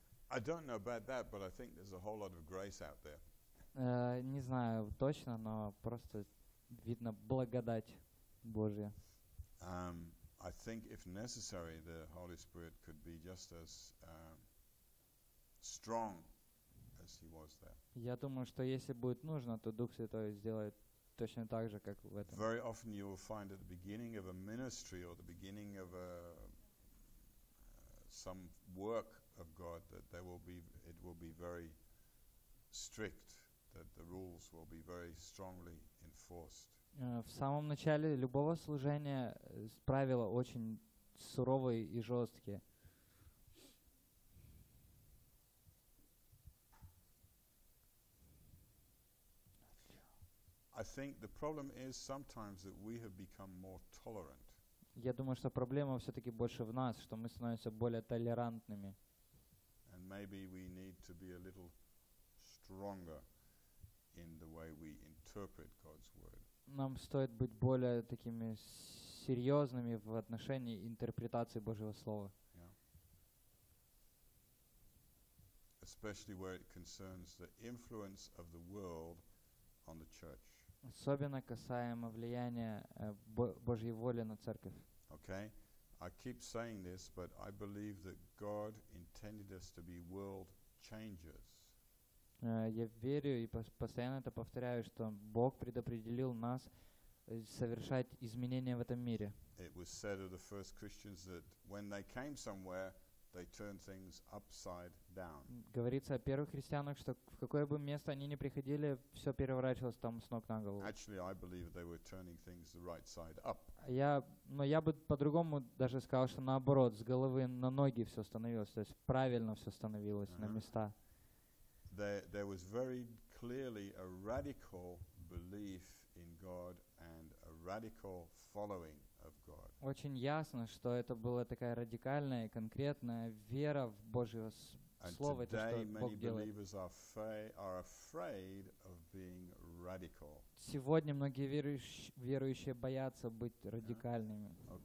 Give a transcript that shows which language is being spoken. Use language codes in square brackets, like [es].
[en] I don't know about that, but I think there's a whole lot of grace out there. [ru] Не знаю точно, но просто видно благодать Божья. [en] I think if necessary, the Holy Spirit could be just as strong. [ru] Я думаю, что если будет нужно, то Дух Святой сделает точно так же, как в этом. [en] Very often you will find at the beginning of a ministry or the beginning of a some work of God that there will be it will be very strict, that the rules will be very strongly enforced. [ru] В самом начале любого служения правила очень суровые и жесткие. [en] I think the problem is sometimes that we have become more tolerant. [ru] Я думаю, что проблема все-таки больше в нас, что мы становимся более толерантными. [en] And maybe we need to be a little stronger in the way we interpret God's word. [ru] Нам стоит быть более такими серьезными в отношении интерпретации Божьего слова. [en] Yeah. Especially where it concerns the influence of the world on the church. [ru] Особенно касаемо влияния Божьей воли на церковь. [en] Okay. I keep saying this, but I believe that God intended us to be world changers. [ru] Я верю и постоянно это повторяю, что Бог предопределил нас совершать изменения в этом мире. [en] It was said of the first Christians that when they came somewhere, they turn things upside down. [ru] Говорится о первых христианах, что в какое бы место они ни приходили, все переворачивалось там с ног на голову. [en] Actually, I believe they were turning things right side up. [ru] Я бы по-другому даже сказал, что наоборот, с головы на ноги все становилось, то есть правильно все становилось на места. [en] There was very clearly a radical belief in God and a radical following. [ru] Очень ясно, что это была такая радикальная, конкретная вера в Божье Слово, то, что Бог делает. Сегодня многие верующие боятся быть радикальными.